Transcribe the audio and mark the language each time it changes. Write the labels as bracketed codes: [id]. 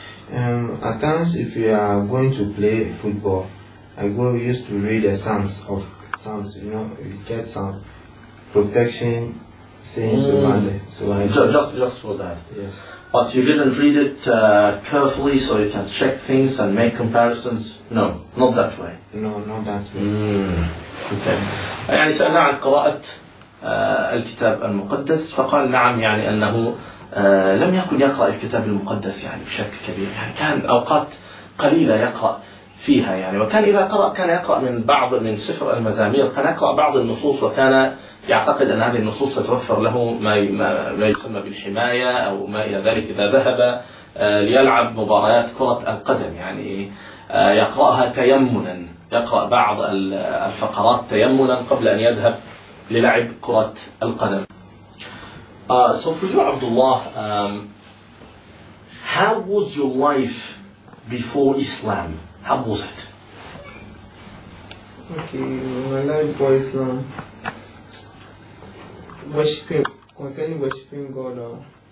[en] At times, if you are going to play football, used to read the Psalms. You know, you get some protection, things around it. So I just for that. Yes. But you didn't read it carefully so you can check things and make comparisons? No, not that way. No, not that way. Okay. [ar] يعني سألنا عن قراءة الكتاب المقدس فقال نعم يعني أنه لم يكن يقرأ الكتاب المقدس يعني بشكل كبير يعني كان أوقات قليلة يقرأ فيها يعني وكان إذا قرأ كان يقرأ من بعض من سفر المزامير كان يقرأ بعض النصوص وكان يعتقد أن هذه النصوص ستوفر له ما يسمى بالحماية أو ما إلى ذلك إذا ذهب ليلعب مباريات كرة القدم يعني يقرأها تيمنا يقرأ بعض الفقرات تيمنا قبل أن يذهب للعب كرة القدم. [en] So for you, Abdullah, how was your life before Islam? How was it? Okay, my life before Islam, concerning worshiping God.